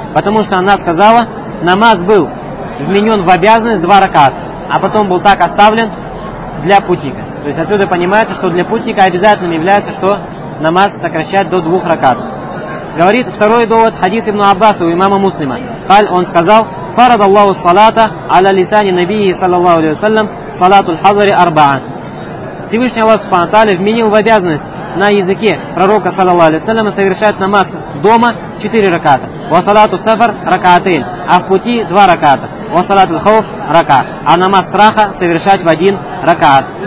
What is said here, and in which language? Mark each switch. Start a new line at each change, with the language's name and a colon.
Russian: Потому что она сказала, намаз был вменен в обязанность 2 раката, а потом был так оставлен для путника. То есть отсюда понимается, что для путника обязательным является, что намаз сокращать до 2 ракат. Говорит второй довод, хадис ибн Аббаса у имама Муслима. Халь, он сказал,
Arabic: فرض الله الصلاة على لسان نبيه صلى الله عليه وسلم صلاة الحضر أربعة.
Russian: Всевышний Аллах Субхану Тааля вменил в обязанность на языке пророка
Arabic: صلى الله عليه وسلم
Russian: совершать намаз дома 4 раката.
Arabic: وصلاة السفر ركعتين.
Russian: А в пути 2 раката.
Arabic: وصلاة الخوف ركعة.
Russian: А намаз страха совершать в 1 ракат.